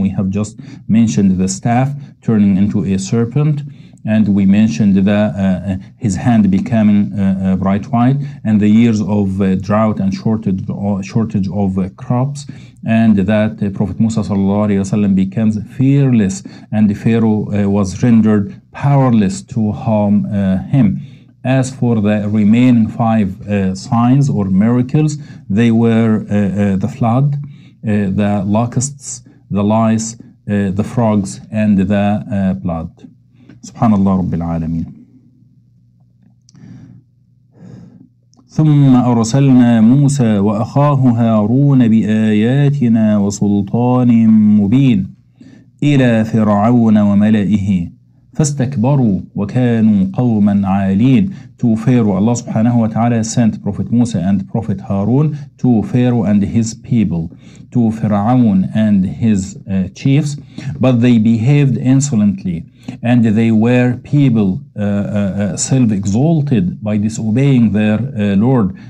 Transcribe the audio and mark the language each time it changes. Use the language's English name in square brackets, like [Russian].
[English] We have just mentioned the staff turning into a serpent, and we mentioned the his hand becoming bright white, and the years of drought and shortage of crops, and that Prophet Musa sallallahu alaihi wasallam becomes fearless, and Pharaoh was rendered powerless to harm him. As for the remaining five signs or miracles, they were the flood, the locusts, the lice, the frogs, and the blood. [Arabic] Subhanallah Rabbil Alameen. ثم أرسلنا موسى وأخاه هارون بآياتنا وسلطان مبين إلى فرعون وملئه فاستكبروا وكانوا قوما عالين. [English] To Pharaoh, Allah subhanahu wa ta'ala sent Prophet Musa and Prophet Harun to Pharaoh and his people, to Fir'aun and his chiefs, but they behaved insolently, and they were people self-exalted by disobeying their Lord.